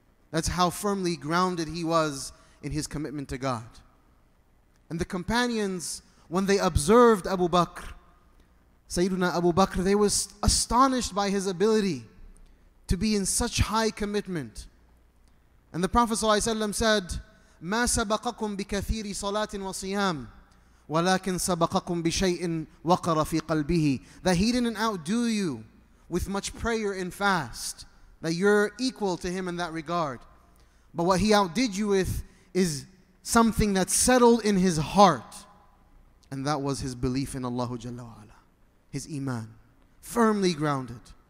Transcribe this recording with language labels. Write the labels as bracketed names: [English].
[English] That's how firmly grounded he was in his commitment to God. And the companions, when they observed Abu Bakr, Sayyidina Abu Bakr, they were astonished by his ability to be in such high commitment. And the Prophet ﷺ said, [Arabic] مَا سَبَقَكُمْ بِكَثِيرِ صَلَاةٍ وَصِيَامٍ وَلَكِنْ سَبَقَكُمْ بِشَيْءٍ وَقَرَ فِي قَلْبِهِ. [English] That he didn't outdo you with much prayer and fast, that you're equal to him in that regard. But what he outdid you with is something that settled in his heart. And that was his belief in Allah Jalla wa'ala, his iman, firmly grounded.